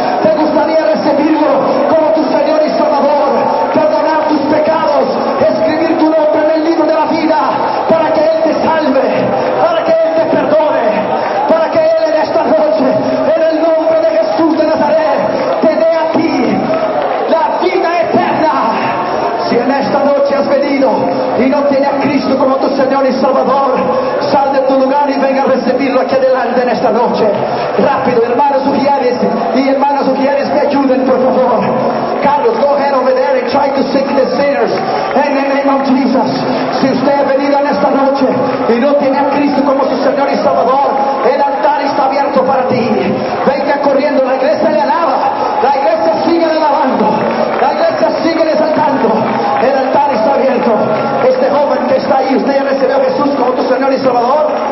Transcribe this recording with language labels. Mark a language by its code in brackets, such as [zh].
[es] Te gustaría recibirlo como tu Señor y Salvador, perdonar tus pecados, escribir tu nombre en el libro de la vida para que Él te salve, para que Él te perdone, para que Él en esta noche, en el nombre de Jesús de Nazaret, te dé a ti la vida eterna. Si en esta noche has venido y no tiene a Cristo como tu Señor y Salvador, sal de tu lugar y venga a recibirlo aquí adelante en esta noche. Rápido, hermanos Ujieres y hermanas Ujieres, me ayuden, por favor. [en] Carlos, go ahead over there and try to seek the sinners in the name of Jesus. [es] Si usted ha venido en esta noche y no tiene a Cristo como su Señor y Salvador, el altar está abierto para ti. Venga corriendo, la iglesia le alaba. La iglesia sigue alabando. La iglesia sigue exaltando. El altar está abierto. Este joven que está ahí, usted ya recibió a Jesús como tu Señor y Salvador.